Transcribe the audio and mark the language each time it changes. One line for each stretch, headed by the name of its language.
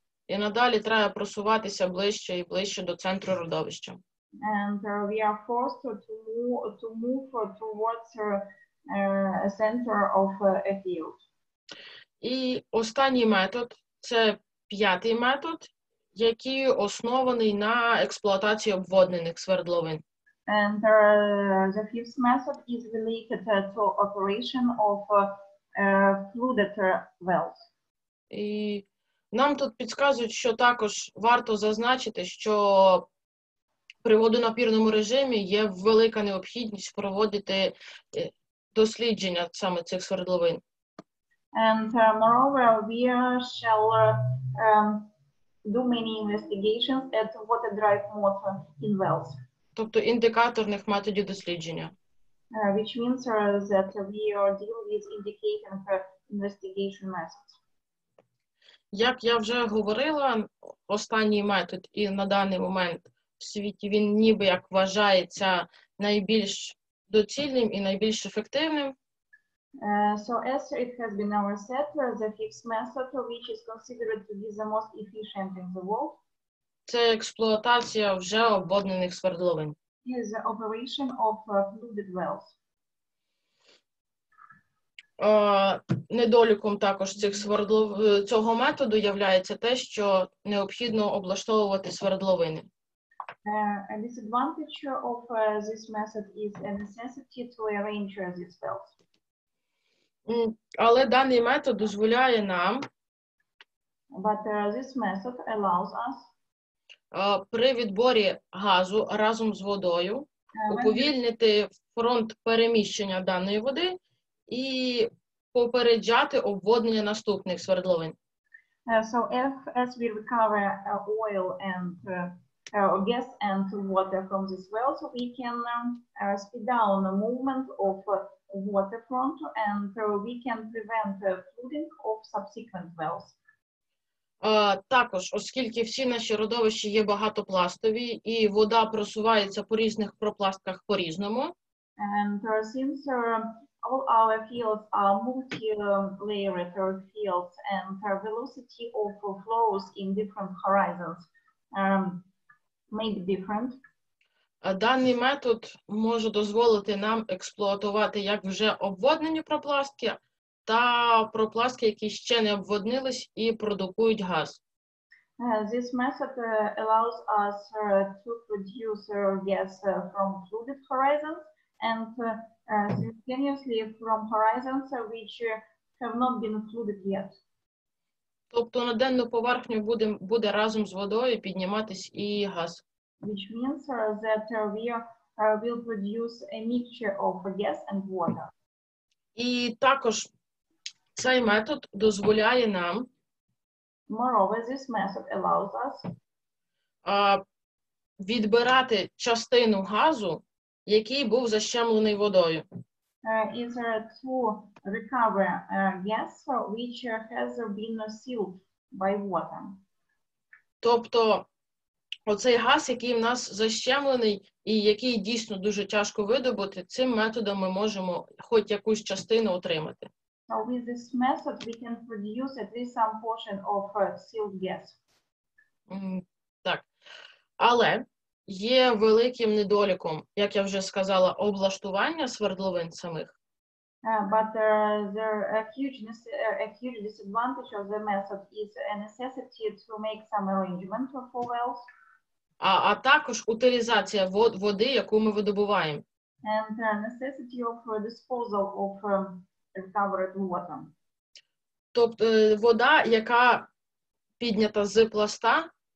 Ukrainian: І надалі треба просуватися ближче і ближче до центру родовища.
English: And we are forced to move towards a center of a field.
Ukrainian: І останній метод – це п'ятий метод, який оснований на експлуатації обводнених свердловин.
English: And the fifth method is related to operation of flooded wells.
Ukrainian: І нам тут підказують, що також варто зазначити, що при водонапірному режимі є велика необхідність проводити дослідження саме цих свердловин.
English: And moreover, we shall do many investigations at water drive motor in wells.
Ukrainian: Тобто індикаторних методів дослідження.
English: Which means that we are dealing with indicating investigation methods.
Ukrainian: Як я вже говорила, останній метод і на даний момент в світі він ніби як вважається найбільш доцільним і найбільш ефективним.
English: So as it has been our set, the fixed method, which is considered to be the most efficient in the world.
Ukrainian: Це експлуатація вже обводнених свердловин.
English: Is the operation of flooded wells.
Ukrainian: Недоліком також цього методу являється те, що необхідно облаштовувати свердловини.
English: A disadvantage of this method is a necessity to arrange these wells.
Ukrainian: Але даний метод дозволяє нам
English: this method allows us
Ukrainian: при відборі газу разом з водою уповільнити фронт переміщення даної води і попереджати обводнення наступних свердловин.
English: So as we recover oil and gas and water from this well, so we can speed down the movement of water front and we can prevent flooding of subsequent wells.
Ukrainian: Також, оскільки всі наші родовища є багатопластові і вода просувається по різних пропластках по-різному.
English: And since all our fields are multi-layered fields and velocity of flows in different horizons may be different.
Ukrainian: Даний метод може дозволити нам експлуатувати як вже обводнені пропластки, та пропластки, які ще не обводнились і продукують газ.
English: This method allows us to produce gas from flooded horizons and simultaneously from horizons which have not been flooded yet.
Ukrainian: Тобто на денну поверхню буде разом з водою підніматись і газ.
English: Which means that we will produce a mixture of gas and water.
Ukrainian: І також цей метод дозволяє нам
English: moreover, this method allows us
Ukrainian: відбирати частину газу, який був защемлений водою.
English: Is to recover gas which has been sealed by water.
Ukrainian: Тобто оцей газ, який в нас защемлений і який дійсно дуже тяжко видобути, цим методом ми можемо хоч якусь частину отримати.
English: So with this method we can produce at least some portion of sealed gas.
Ukrainian: Так. Але є великим недоліком, як я вже сказала, облаштування свердловин самих.
English: But there are a huge disadvantage of the method is a necessity to make some arrangement for wells.
Ukrainian: А також утилізація води, яку ми видобуваємо.
English: And the necessity of disposal of recovered water.
Ukrainian: Тобто вода, яка піднята з пласта,